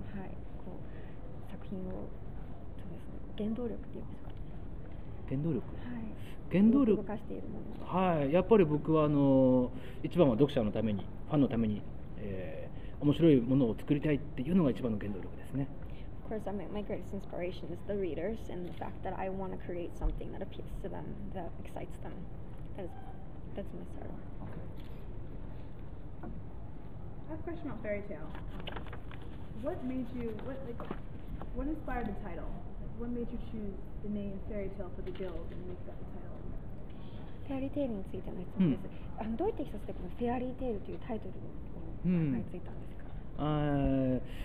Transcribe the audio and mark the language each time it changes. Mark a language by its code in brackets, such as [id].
[ja] はい、こう作品をそうです、ね、原動力っていうんですか。原動力、はい、原動力動かしているもの、はい、やっぱり僕は一番は読者のために、ファンのために、面白いものを作りたいっていうのが一番の原動力ですね。 [en] Of course, my greatest inspiration is the readers and the fact that I want to create something that appeals to them, that excites them. That's my story. Okay. I have a question about fairy tale. What inspired the title? What made you choose the name fairy tale for the guild and make that the title? [ja] フェアリーテールについての質問です。どうやってひとつでこのフェアリーテールというタイトルを考えついたんですか。